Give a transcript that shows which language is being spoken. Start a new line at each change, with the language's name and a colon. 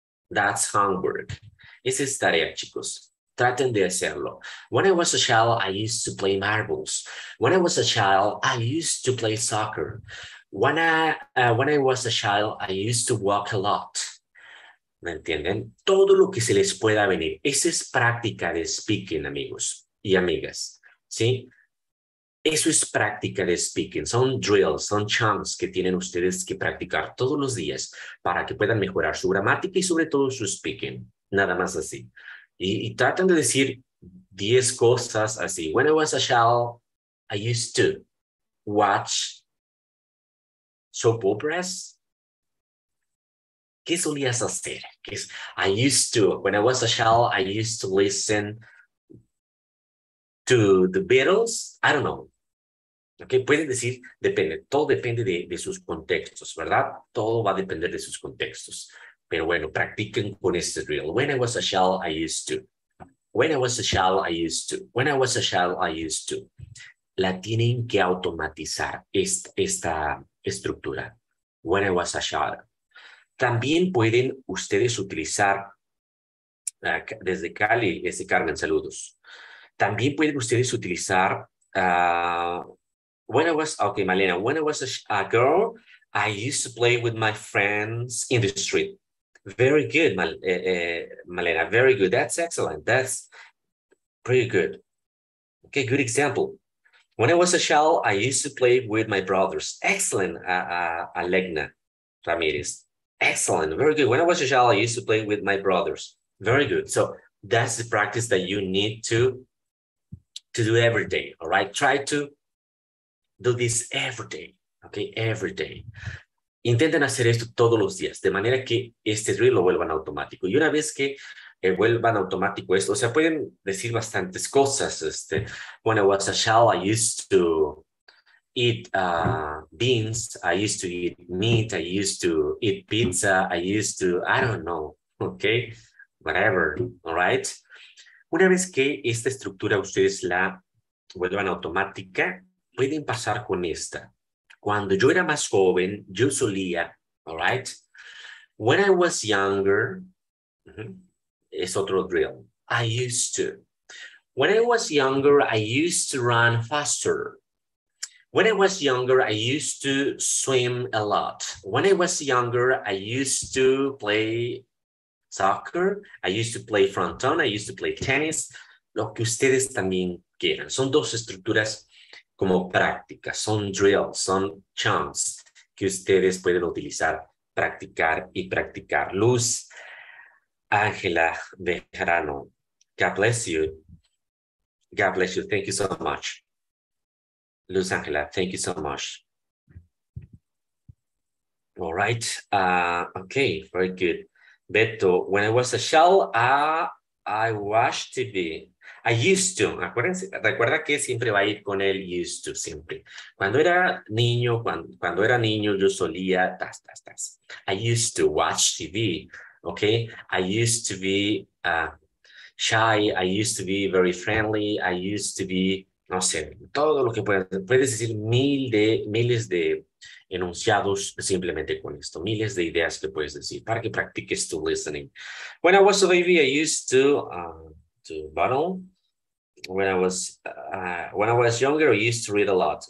English: That's homework.
Spanish: Esa es tarea, chicos. Traten de hacerlo.
English: When I was a child, I used to play marbles. When I was a child, I used to play soccer. When I was a child, I used to walk a lot.
Spanish: ¿Me entienden? Todo lo que se les pueda venir. Esa es práctica de speaking, amigos y amigas. ¿Sí? Eso es práctica de speaking, son drills, son chunks que tienen ustedes que practicar todos los días para que puedan mejorar su gramática y sobre todo su speaking, nada más así. Y tratan de decir 10 cosas así.
English: When I was a child, I used to watch soap operas.
Spanish: ¿Qué solías hacer? ¿Qué es?
English: I used to, when I was a child, I used to listen to the Beatles. I don't know.
Spanish: Okay, pueden decir, depende, todo depende de sus contextos, ¿verdad? Todo va a depender de sus contextos. Pero bueno, practiquen con este drill.
English: When I was a child, I used to. When I was a child, I used to. When I was a child, I used to.
Spanish: La tienen que automatizar esta estructura.
English: When I was a child.
Spanish: También pueden ustedes utilizar, desde Cali, desde Carmen, saludos. También pueden ustedes utilizar,
English: when I was, okay, Malena, when I was a girl, I used to play with my friends in the street. Very good, Malena, very good. That's excellent. That's pretty good. Okay, good example. When I was a child, I used to play with my brothers. Excellent, Alegna Ramirez. Excellent, very good. When I was a child, I used to play with my brothers. Very good. So that's the practice that you need to do every day, all right? Try to do this every day, okay? Every day.
Spanish: Intenten hacer esto todos los días, de manera que este drill lo vuelvan automático. Y una vez que vuelvan automático esto, o sea, pueden decir bastantes cosas.
English: When I was a child, I used to eat beans, I used to eat meat, I used to eat pizza, I used to, I don't know, okay, whatever, all right.
Spanish: Una vez que esta estructura ustedes la vuelvan automática, pueden pasar con esta. Cuando yo era más joven, yo solía,
English: all right. When I was younger,
Spanish: es otro drill,
English: I used to. When I was younger, I used to run faster. When I was younger, I used to swim a lot. When I was younger, I used to play soccer. I used to play frontón. I used to play tennis.
Spanish: Lo que ustedes también quieran. Son dos estructuras como prácticas. Son drills, son chunks que ustedes pueden utilizar, practicar y practicar.
English: Luz Ángela Bejarano. God bless you. God bless you. Thank you so much. Luz Ángela, thank you so much. All right. Okay, very good. Beto, when I was a child, I watched TV. I used to.
Spanish: Acuérdense, recuerda que siempre va a ir con el used to, siempre. Cuando era niño, cuando era niño, yo solía, tas.
English: I used to watch TV, okay? I used to be shy. I used to be very friendly. I used to be,
Spanish: no sé, todo lo que puedes decir, miles de enunciados simplemente con esto, miles de ideas que puedes decir para que practiques tu listening.
English: When I was a baby, I used to bottle. When I was younger, I used to read a lot.